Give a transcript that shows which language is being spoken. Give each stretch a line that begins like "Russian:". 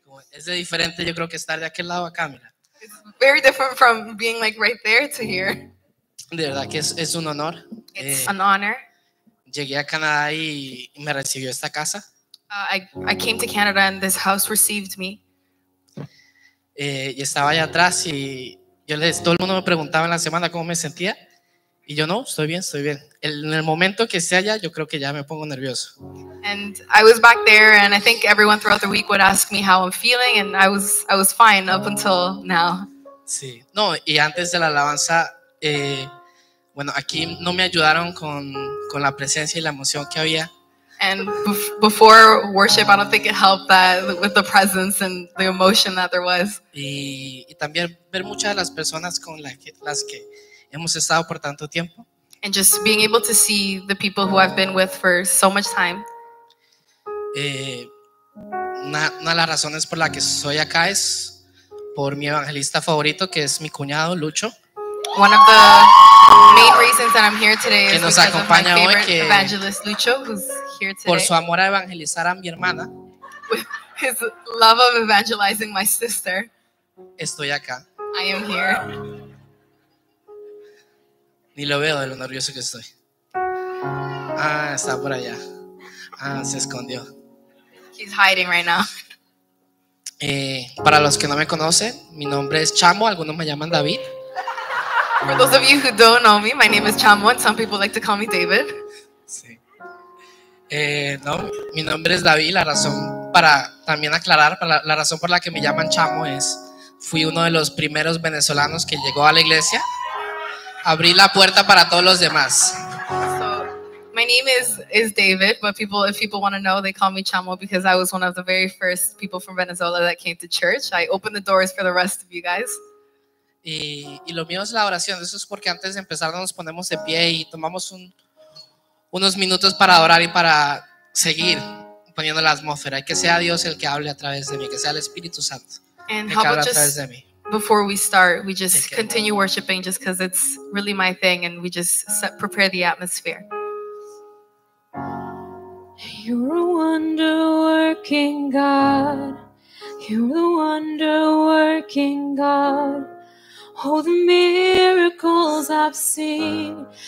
Spanish: Es de diferente, yo creo que estar de aquel lado acá, mira.
English: It's very different from being like right there to here.
Spanish: De verdad que es un honor.
English: It's an honor.
Spanish: Llegué a Canadá y me recibió esta casa.
English: I came to Canada and this house received me.
Spanish: Y estaba allá atrás y todo el mundo me preguntaba en la semana cómo me sentía. Y yo, no, estoy bien, estoy bien. En el momento que esté allá, yo creo que ya me pongo nervioso.
English: And I was back there and I think everyone throughout the week would ask me how I'm feeling and I was fine up until now.
Spanish: Sí. No, y antes de la alabanza, bueno, aquí no me ayudaron con la presencia y la emoción que había.
English: And before worship, I don't think it helped that with the presence and the emotion that there was.
Spanish: Y también ver muchas de las personas con las que hemos estado por tanto tiempo.
English: And just being able to see the people who I've been with for so much time.
Spanish: Una de las razones por la que soy acá es por mi evangelista favorito, que es mi cuñado Lucho.
English: One of the main reasons that I'm here today is because of my favorite evangelist Lucho, who's here today.
Spanish: Por su amor a evangelizar a mi hermana.
English: With his love of evangelizing my sister.
Spanish: Estoy acá.
English: I am here.
Spanish: Ni lo veo de lo nervioso que estoy. Ah, está por allá. Ah, se escondió.
English: He's hiding right now.
Spanish: Para los que no me conocen, mi nombre es Chamo. Algunos me llaman David.
English: For those of you who don't know me, my name is Chamo, and some people like to call me David.
Spanish: Sí. No, mi nombre es David. La razón para también aclarar, la razón por la que me llaman Chamo es, fui uno de los primeros venezolanos que llegó a la iglesia. Abrí la puerta para todos los demás.
English: So, my name is David, but if people want to know, they call me Chamo because I was one of the very first people from Venezuela that came to church. I opened the doors for the rest of you guys.
Spanish: Y lo mío es la oración. Eso es porque antes de empezar nos ponemos de pie y tomamos unos minutos para adorar y para seguir poniendo la atmósfera. Que sea Dios el que hable a través de mí, que sea el Espíritu Santo el que hable a través de mí.
English: Before we start, we just continue worshiping just because it's really my thing, and we just prepare the atmosphere. You're a wonder-working God. You're the wonder-working God. Oh, the miracles I've seen.